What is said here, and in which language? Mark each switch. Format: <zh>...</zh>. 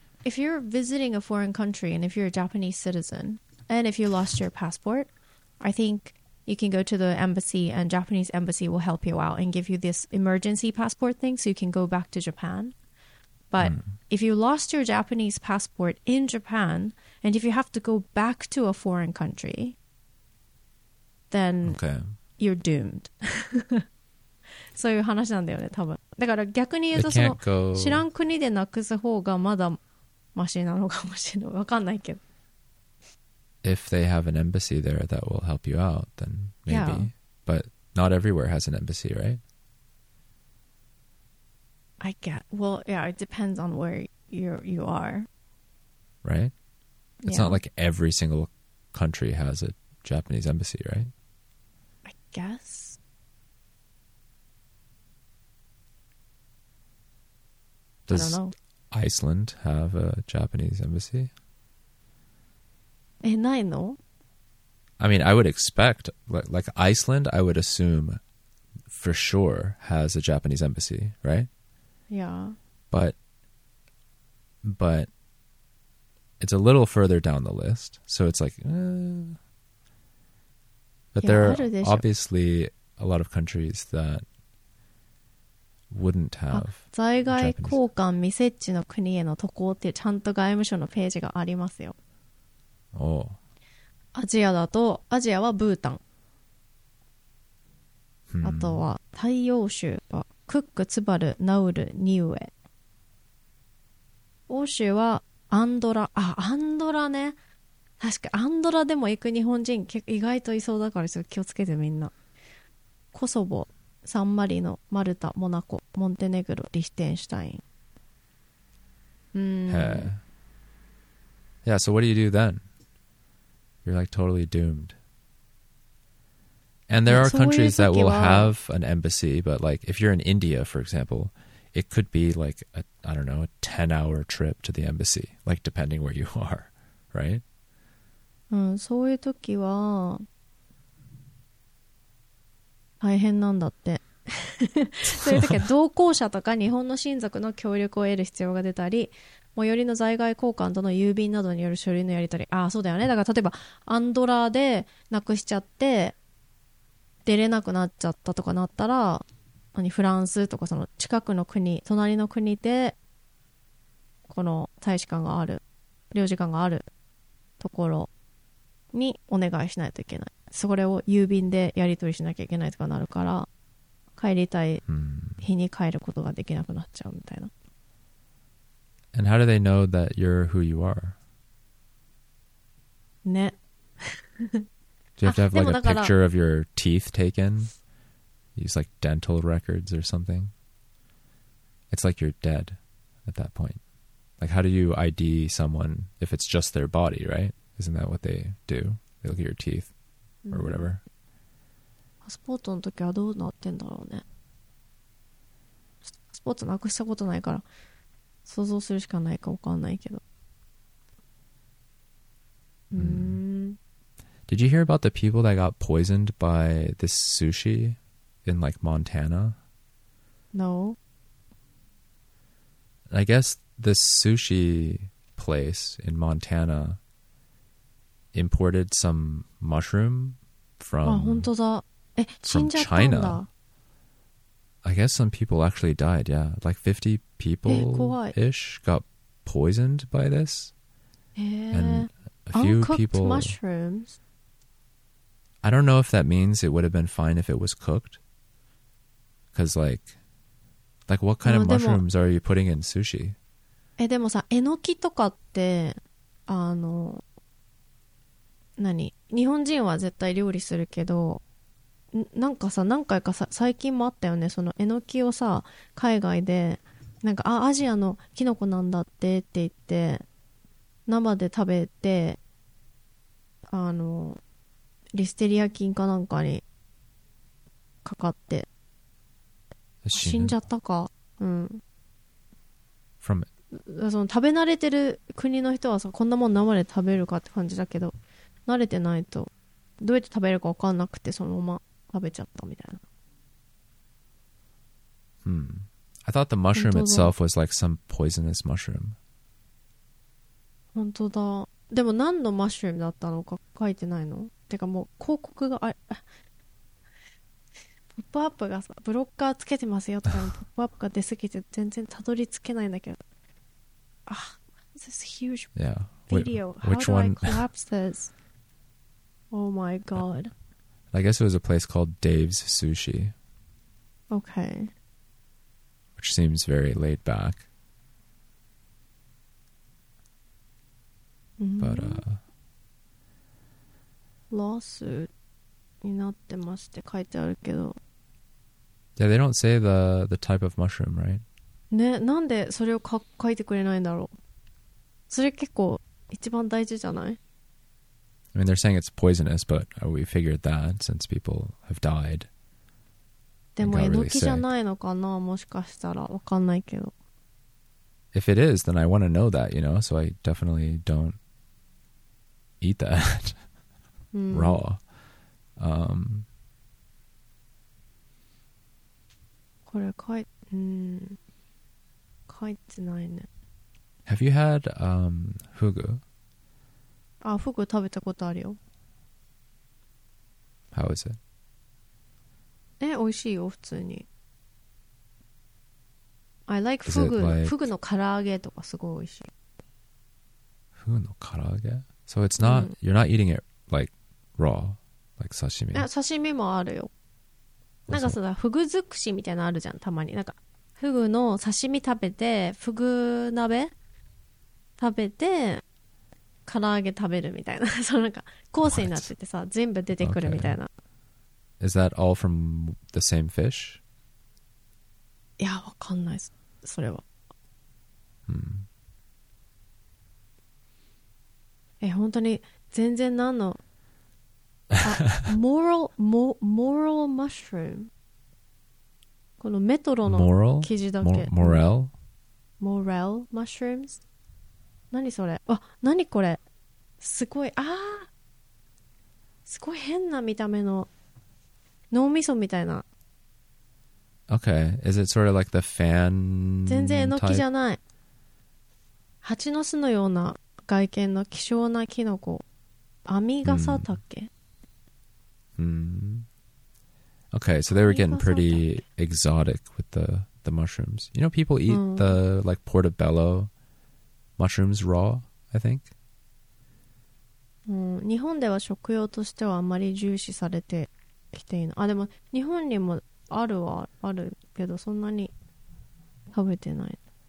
<en>If you're visiting a foreign country and if you're a Japanese citizen,And if you lost your passport, I think you can go to the embassy and Japanese embassy will help you out and give you this emergency passport thing so you can go back to Japan. But if you lost your Japanese passport in Japan and if you have to go back to a foreign country, then you're doomed.</en> <ja>そういう話なんだよね、多分。だから逆に言うと、その知らん国でなくす方がまだマシなのかもしれない。わかんないけど。</ja> <en>If they have an embassy there that will help you out, then maybe. Yeah. But not everywhere has an embassy, right? I get. Well, yeah, it depends on where you are. Right? Yeah. It's not like every single country has a Japanese embassy, right? I guess. Does I don't know. Iceland have a Japanese embassy?</en> <ja>え、ないの?</ja> <en>I mean, I would expect, like Iceland, I would assume for sure has a Japanese embassy, right? Yeah. But it's a little further down the list, so it's like, But there are obviously a lot of countries that wouldn't have</en> <ja>あ、在外公館未設置の国への渡航っていうちゃんと外務省のページがありますよ。</ja> <en>Oh.</en> <ja>アジアだとアジアはブータン、あとは太陽州はクック、ツバル、ナウル、ニウエ、欧州はアンドラ、あ、アンドラね、確かアンドラでも行く日本人意外といそうだからちょっと気をつけてみんな、コソボ、サンマリノ、マルタ、モナコ、モンテネグロ、リヒテンシュタイン、</ja> <en>Yeah, so what do you do then? You're like totally doomed. And there are countries that will have an embassy, but like if you're in India, for example, it could be like a, I don't know, a 10-hour trip to the embassy, like depending where you are, right?</en> <ja>そういう時は大変なんだって。そういう時は同行者とか日本の親族の協力を得る必要が出たり、最寄りの在外公館との郵便などによる書類のやり取り。ああ、そうだよね。だから例えばアンドラでなくしちゃって出れなくなっちゃったとかなったら、何フランスとかその近くの国、隣の国でこの大使館がある、領事館があるところにお願いしないといけない。それを郵便でやり取りしなきゃいけないとかなるから、帰りたい日に帰ることができなくなっちゃうみたいな。</ja> <en>And how do they know that you're who you are?</en> <ja>ね。</ja> <en>Do you have to have like a picture of your teeth taken? Use like dental records or something? It's like you're dead at that point. Like how do you ID someone if it's just their body, right? Isn't that what they do? They look at your teeth or whatever.</en> <ja>パスポートの時はどうなってんだろうね。パスポートなくしたことないから想像するしかないかわかんないけど。</ja> <en>Did you hear about the people that got poisoned by this sushi in like Montana? No. I guess this sushi place in Montana imported some mushroom from, from China. I guess some people actually died, yeah. Like 50 people-ish got poisoned by this. And a few uncooked people... mushrooms. I don't know if that means it would have been fine if it was cooked. Because like what kind of mushrooms are you putting in sushi?</en> <ja>でもさ、えのきとかって、何？日本人は絶対料理するけど、なんかさ、何回かさ、最近もあったよね。そのえのきをさ、海外で、なんか、あ、アジアのキノコなんだってって言って、生で食べて、リステリア菌かなんかにかかって死んじゃったか。うん。</ja> <en>From it.</en> <ja>その食べ慣れてる国の人はさ、こんなもん生で食べるかって感じだけど、慣れてないとどうやって食べるか分かんなくてそのまま食べちゃったみたいな。</ja> <en>I thought the mushroom itself was like some poisonous mushroom.</en> <ja>本当だ。でも何のマッシュルームだったのか書いてないの？てかもう広告が、あ、ポップアップがさ、ブロッカーつけてますよとかのポップアップが出すぎて全然たどり着けないんだけど。</ja> <en>あ、this huge video. Which one? How do I collapse this? Oh my god. I guess it was a place called Dave's Sushi. Okay. Which seems very laid back. But,</en> <ja>lawsuit になってますって書いてあるけど。</ja> <en>Yeah, they don't say the type of mushroom, right?</en> <ja>ね、なんでそれを書いてくれないんだろう。それ結構一番大事じゃない？</ja> <en>I mean, they're saying it's poisonous, but we figured that since people have died.</en> <ja>でもえのきじゃないのかな、もしかしたら、わかんないけど。</ja> <en>If it is, then I want to know that, you know, so I definitely don't eat that raw.</en> <ja>これ書いてないね。</ja> <en>Have you had fugu?</en> <ja>あ、フグ食べたことあるよ。</ja> <en>How is it?</en> <ja>え、美味しいよ、普通に。</ja> <en>I like fugu.</en> <ja>Fugu の唐揚げとかすごい美味しい。 Fugu の唐揚げ？</ja> <en>So it's not, you're not eating it like raw, like sashimi.</en> <ja>いや、刺身もあるよ。なんかさ、フグ尽くしみたいなのあるじゃん、たまに。なんか、フグの刺身食べて、フグ鍋食べて、唐揚げ食べるみたいな。そのなんか、コースになっててさ、全部出てくるみたいな。</ja> <en>Okay. Is that all from the same fish?</en> <ja>いや、わかんないです、それは。え、本当に全然なんの。あ、</ja> <en>moral mushroom。</en> <ja>このメトロの記事だけ。</ja> <en>Morel? Morel mushrooms?</en> <ja>何それ?あ、何これ?すごい、あー! すごい変な見た目の脳みそみたいな。</ja> <en>Okay, is it sort of like the fan?</en> <ja>全然えのきじゃない。蜂の巣のような外見の希少なキノコ。アミガサタケ。</ja> <en>Okay, so they were getting pretty exotic with the mushrooms. You know, people eat the like portobello mushrooms raw, I think.</en> <ja>日本では食用としてはあまり重視されてきていない。あ、でも日本にもあるはあるけど、そんなに食べてない。</ja>